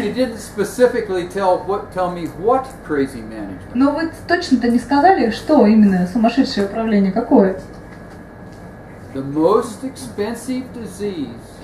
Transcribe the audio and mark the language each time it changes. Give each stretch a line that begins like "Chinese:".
English: But you didn't specifically tell me what crazy management.
Russian: Но вы точно-то не сказали, что именно сумасшедшее управление какое.
English: The most expensive disease.